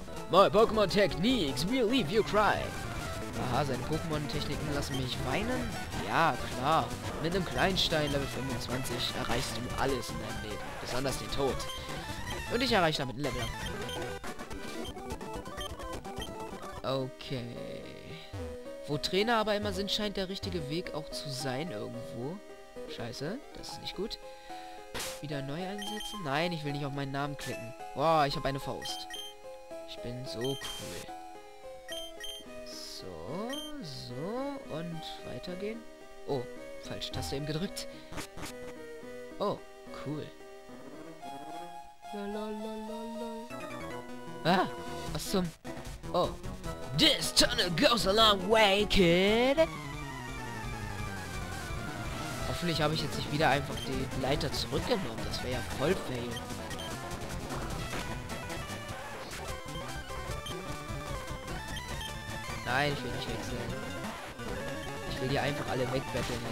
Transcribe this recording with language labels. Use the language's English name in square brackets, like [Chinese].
[English] My Pokémon Techniques will leave you cry. [German] Aha, seine Pokémon-Techniken lassen mich weinen? Ja, klar. Mit einem Kleinstein Level 25 erreichst du alles in deinem Leben. Besonders den Tod. Und ich erreiche damit ein Level. Okay. Wo Trainer aber immer sind, scheint der richtige Weg auch zu sein irgendwo. Scheiße, das ist nicht gut. Wieder neu einsetzen? Nein, ich will nicht auf meinen Namen klicken. Boah, ich habe eine Faust. Ich bin so cool. So, so und weitergehen. Oh, falsche Taste eben gedrückt. Oh, cool. Ah, was zum... Oh. [English] This tunnel goes a long way, kid! [German] Hoffentlich habe ich jetzt nicht wieder einfach die Leiter zurückgenommen. Das wäre ja voll fail. Nein, ich will nicht wechseln. Ich will hier einfach alle wegbetteln.